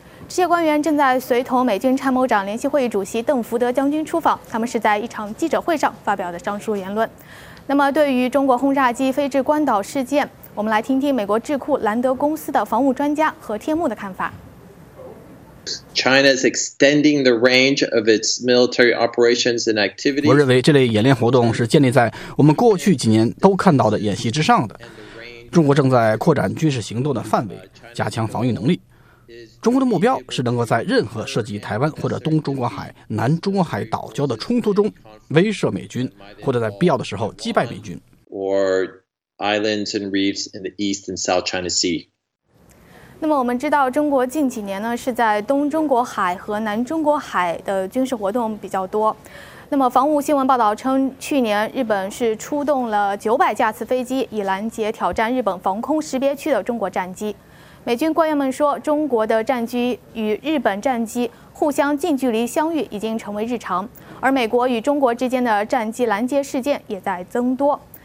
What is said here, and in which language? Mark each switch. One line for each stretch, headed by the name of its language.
Chinese: 这些官员正在随同美军参谋长联席会议主席邓福德将军出访，他们是在一场记者会上发表的上述言论。那么对于中国轰炸机飞至关岛事件，我们来听听美国智库兰德公司的防务专家何天牧的看法。
English: China is extending the range of its military operations and activities.
Chinese: 我认为这类演练活动是建立在我们过去几年都看到的演习之上的。中国正在扩展军事行动的范围，加强防御能力。中国的目标是能够在任何涉及台湾或者东中国海、南中国海岛礁的冲突中威慑美军，或者在必要的时候击败美军。
English: Or islands and reefs in the East and South China Sea.
Chinese: 那么我们知道，中国近几年呢是在东中国海和南中国海的军事活动比较多。那么防务新闻报道称，去年日本是出动了900架次飞机，以拦截挑战日本防空识别区的中国战机。美军官员们说，中国的战机与日本战机互相近距离相遇已经成为日常，而美国与中国之间的战机拦截事件也在增多。